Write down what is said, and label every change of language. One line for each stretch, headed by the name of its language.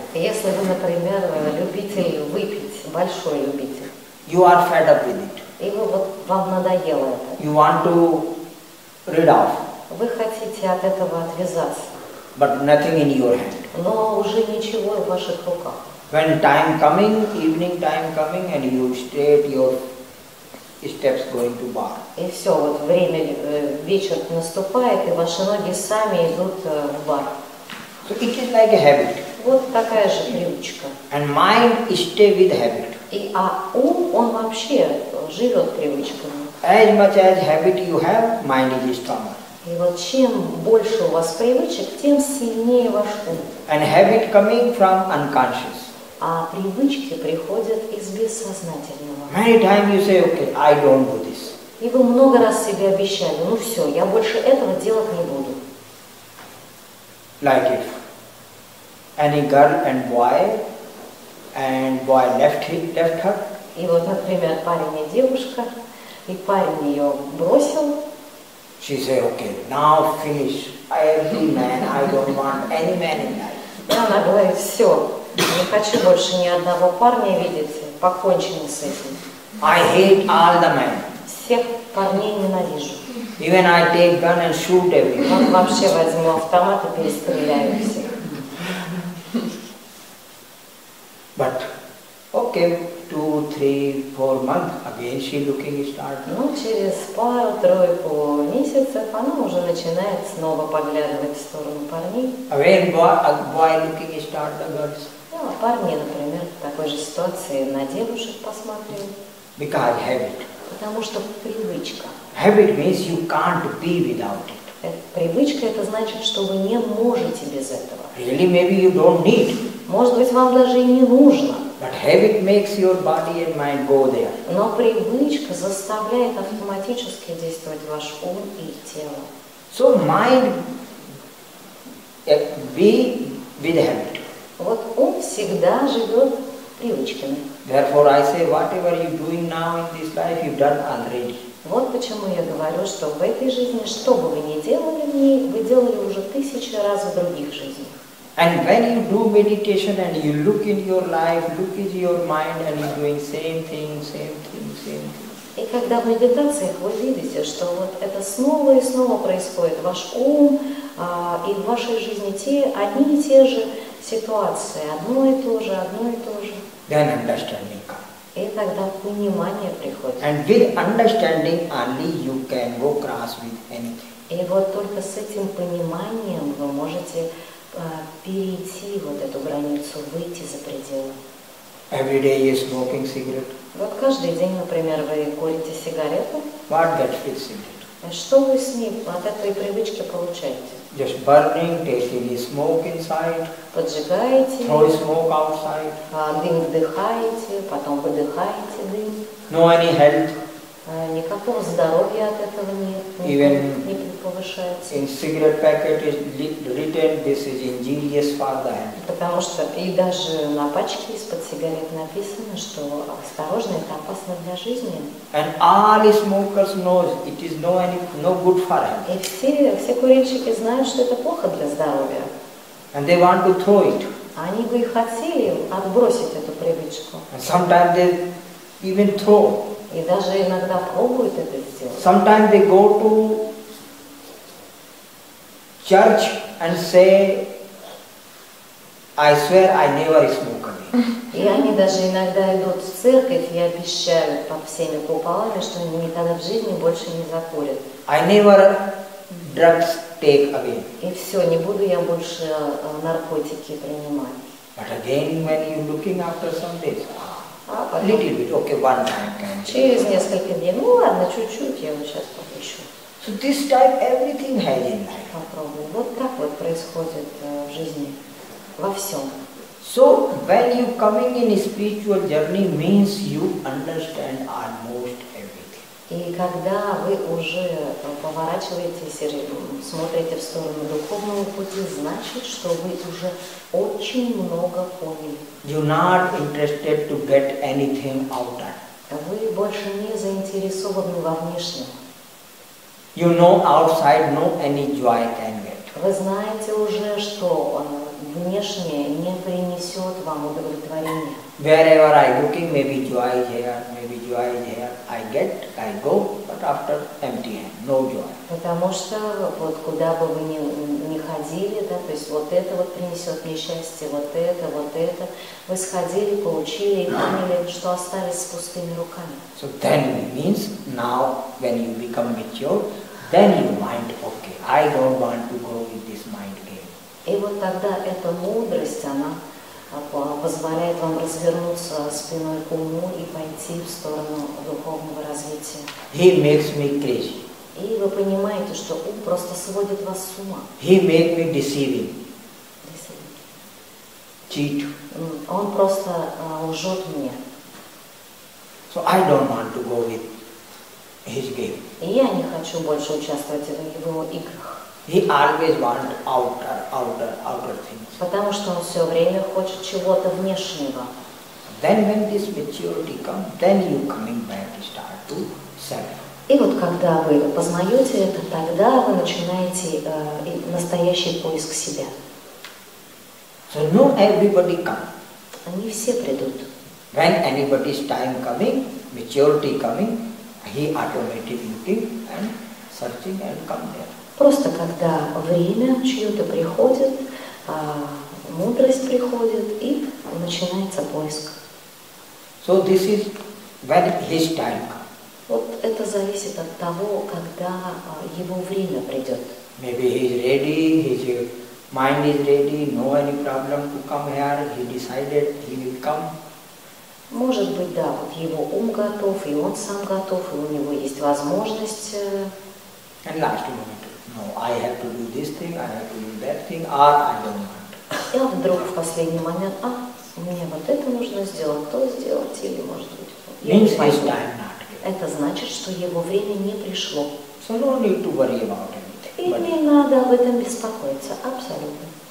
Russian: Если вы, например, любитель выпить, большой любитель.
English: You are fed up with it.
Russian: И вы, вот, вам надоело это.
English: You want to rid off.
Russian: Вы хотите от этого отвязаться.
English: But nothing in your hand.
Russian: Но уже ничего в ваших руках.
English: When time coming, evening time coming, and you straight your steps going to bar.
Russian: И все, вот время, вечер наступает, и ваши ноги сами идут в бар.
English: So it is like a habit.
Russian: Вот такая же привычка.
English: And mind stay with habit.
Russian: И, а ум, он вообще живет привычками.
English: As much as habit you have, mind is stronger.
Russian: И вот чем больше у вас привычек, тем сильнее ваш ум.
English: And habit coming from unconscious.
Russian: А привычки приходят из бессознательного.
English: Many times you say, okay, I don't do this.
Russian: И вы много раз себе обещали, ну все, я больше этого делать не буду.
English: Like if any girl and boy, and boy left her.
Russian: И вот, например, парень и девушка, и парень ее бросил.
English: She said, okay, now finish. Every man, I don't want any man in life.
Russian: И она говорит, все, не хочу больше ни одного парня видеть, покончено с этим.
English: I hate all the men.
Russian: Всех парней ненавижу.
English: Even I take gun and shoot everyone.
Russian: Он вообще возьму автомат и перестреляю всех.
English: But okay, 2-3-4 months again she looking start.
Russian: Ну через пару-тройку месяцев она уже начинает снова поглядывать в сторону парней.
English: Again boy looking start the girls.
Russian: Ну парни, например, в такой же ситуации на девушек посмотрим.
English: Because habit.
Russian: Потому что привычка.
English: Habit means you can't be without it.
Russian: Привычка это значит, что вы не можете без этого.
English: Really, maybe you don't need.
Russian: Может быть, вам даже и не нужно.
English: But habit makes your body and mind go there.
Russian: Но привычка заставляет автоматически действовать ваш ум и тело.
English: So mind be with habit.
Russian: Вот ум всегда живет привычками.
English: Therefore, I say, whatever you're doing now in this life, you've done already.
Russian: Вот почему я говорю, что в этой жизни, что бы вы ни делали в ней, вы делали уже тысячи раз в других жизнях.
English: And when you do meditation and you look in your life, look in your mind and you're doing same thing, same thing, same thing.
Russian: И когда в медитациях вы видите, что вот это снова и снова происходит, ваш ум и в вашей жизни те одни и те же ситуации, одно и то же, одно и то же.
English: Then understanding comes.
Russian: И тогда понимание приходит.
English: And with understanding only you can go cross with anything.
Russian: И вот только с этим пониманием вы можете перейти вот эту границу, выйти за пределы.
English: Every day you're smoking cigarette.
Russian: Вот каждый день, например, вы курите сигарету.
English: What gets with cigarette?
Russian: Что вы с ней от этой привычки получаете?
English: Just burning, taking smoke inside.
Russian: Поджигаете.
English: Throw smoke outside.
Russian: Дым вдыхаете, потом выдыхаете дым.
English: No any health.
Russian: Никакого здоровья от этого не повышается.
English: In cigarette packet is written, this is injurious for the health.
Russian: Потому что и даже на пачке из-под сигарет написано, что осторожно, это опасно для жизни.
English: And all smokers know it is no good for health.
Russian: И все курильщики знают, что это плохо для здоровья.
English: And they want to throw it.
Russian: Они бы и хотели отбросить эту привычку.
English: And sometimes they even throw.
Russian: И даже иногда пробуют это сделать.
English: Sometimes they go to church and say, I swear I never smoke again.
Russian: И они даже иногда идут в церковь и обещают под всеми куполами, что они никогда в жизни больше не закурят.
English: I never drugs take again.
Russian: И все, не буду я больше наркотики принимать.
English: But again, when you're looking after some days, little bit, okay, one time.
Russian: Через несколько дней, ну ладно, чуть-чуть, я вот сейчас попущу.
English: So this type everything has in life.
Russian: Попробуй. Вот так вот происходит в жизни, во всем.
English: So when you coming in a spiritual journey means you understand almost everything.
Russian: И когда вы уже поворачиваетесь и смотрите в сторону духовного пути, значит, что вы уже очень много поняли.
English: You're not interested to get anything outer.
Russian: Вы больше не заинтересованы во внешнем.
English: You know outside no any joy can get.
Russian: Вы знаете уже, что внешнее не принесет вам удовлетворения.
English: Wherever I looking, maybe joy here, maybe joy there. I get, I go, but after empty hand, no joy.
Russian: Потому что вот куда бы вы ни ходили, да, то есть вот это вот принесет мне счастье, вот это, вы сходили, получили и поняли, что остались с пустыми руками.
English: So then means now when you become mature, then you mind okay. I don't want to go with this mind game.
Russian: И вот тогда эта мудрость, она позволяет вам развернуться спиной к уму и пойти в сторону духовного развития.
English: He makes me crazy.
Russian: И вы понимаете, что ум просто сводит вас с ума.
English: He make me deceiving. Cheat.
Russian: Он просто лжет мне.
English: So I don't want to go with his game.
Russian: И я не хочу больше участвовать в его играх.
English: He always want outer things.
Russian: Потому что он все время хочет чего-то внешнего.
English: Then when this maturity comes, then you coming back to start to self.
Russian: И вот когда вы познаете это, тогда вы начинаете настоящий поиск себя.
English: So no everybody come.
Russian: Они все придут.
English: When anybody's time coming, maturity coming, he automatically looking and searching and come there.
Russian: Просто когда время чье-то приходит, мудрость приходит и начинается поиск.
English: So this is when his time comes.
Russian: Вот это зависит от того, когда его время придет.
English: Maybe he is ready, his mind is ready, no any problem to come here, he decided he will come.
Russian: Может быть, да, вот его ум готов, и он сам готов, и у него есть возможность.
English: And last moment. No, I have to do this thing, I have to do that thing, or I don't want.
Russian: Я вдруг в последний момент, мне вот это нужно сделать, то сделать, или может быть.
English: Means his time not.
Russian: Это значит, что его время не пришло.
English: So no need to worry about anything.
Russian: И не надо об этом беспокоиться, абсолютно.